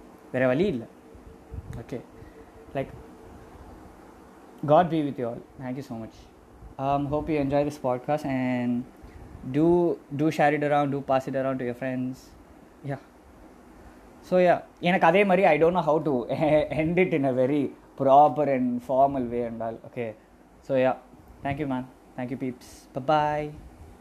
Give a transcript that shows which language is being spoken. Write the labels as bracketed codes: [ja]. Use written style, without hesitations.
[ta] வேற வழி இல்லை. [en] Okay, like, God be with you all. Thank you so much. Hope you enjoy this podcast, and do share it around, do pass it around to your friends. Yeah. So yeah, [ta] எனக்கு அதே மாதிரி [en] I don't know how to end it in a very proper and formal way and all. Okay, so yeah, thank you man, thank you peeps, bye.